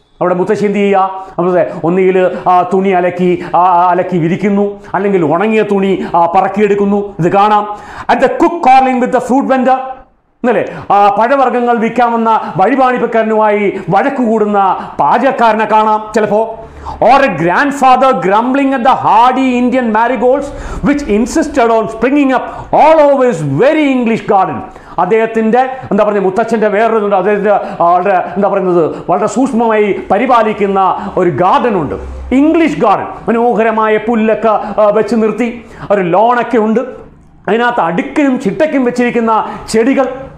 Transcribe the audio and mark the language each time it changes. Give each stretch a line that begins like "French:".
Malayalam: അവിടെ മുത്തശ്ശി എന്ത് ചെയ്യുക, അവിടുത്തെ ഒന്നുകിൽ തുണി അലക്കി വിരിക്കുന്നു, അല്ലെങ്കിൽ ഉണങ്ങിയ തുണി പറക്കിയെടുക്കുന്നു. ഇത് കാണാം
English: at the cook corning with the fruit vendor
Malayalam: എന്നല്ലേ, പഴവർഗ്ഗങ്ങൾ വിൽക്കാമെന്ന വഴിപാണിപ്പിക്കാരനുമായി വഴക്കു കൂടുന്ന പാചകക്കാരനെ കാണാം ചിലപ്പോൾ.
English: Or a grandfather grumbling at the hardy Indian marigolds which insisted on springing up all over his very English garden.
Malayalam: അദ്ദേഹത്തിൻ്റെ എന്താ പറഞ്ഞത് മുത്തച്ഛൻ്റെ വേറൊരുണ്ട്, അദ്ദേഹത്തിൻ്റെ വളരെ എന്താ പറയുന്നത് വളരെ സൂക്ഷ്മമായി പരിപാലിക്കുന്ന ഒരു ഗാർഡനുണ്ട്, ഇംഗ്ലീഷ് ഗാർഡൻ, മനോഹരമായ പുല്ലൊക്കെ വെച്ച് നിർത്തി, ഒരു ലോണൊക്കെ ഉണ്ട്, അതിനകത്ത് അടുക്കിനും ചിട്ടയ്ക്കും വെച്ചിരിക്കുന്ന ചെടികൾ.